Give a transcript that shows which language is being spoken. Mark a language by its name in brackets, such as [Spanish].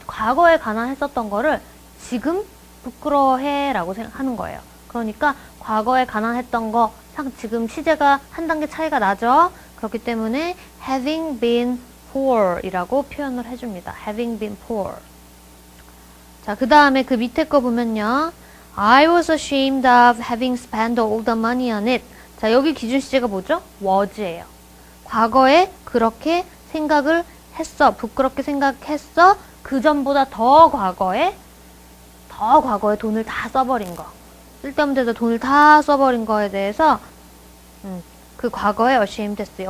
[Korean] 과거에 가난했었던 거를 지금 부끄러워해 라고 하는 거예요. 그러니까 과거에 가난했던 거 지금 시제가 한 단계 차이가 나죠? 그렇기 때문에 [English] having been poor [Korean] 이라고 표현을 해줍니다. [English] having been poor. [Korean] 자, 그 다음에 그 밑에 거 보면요. [English] I was ashamed of having spent all the money on it. [Korean] 자, 여기 기준 시제가 뭐죠? was예요. 과거에 그렇게 생각을 했어. 부끄럽게 생각했어. 그 전보다 더 과거에 돈을 다 써버린 거. 쓸데없는 데서 돈을 다 써버린 거에 대해서 그 과거에 ashamed 했어.